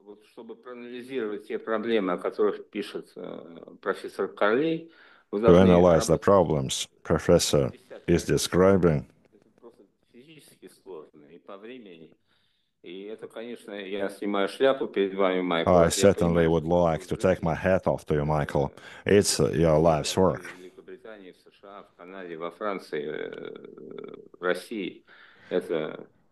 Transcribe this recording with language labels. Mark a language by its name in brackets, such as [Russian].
[Russian] Чтобы проанализировать те проблемы, о которых пишет профессор Карли, [English] to analyze the problems professor is describing, [Russian] это просто физически сложно и по времени. И это, конечно, я снимаю шляпу перед вами, Майкл. [English] I certainly would like to take my hat off to you, Michael. It's your life's work. [Russian] В Великобритании, в США, в Канаде, во Франции, в России это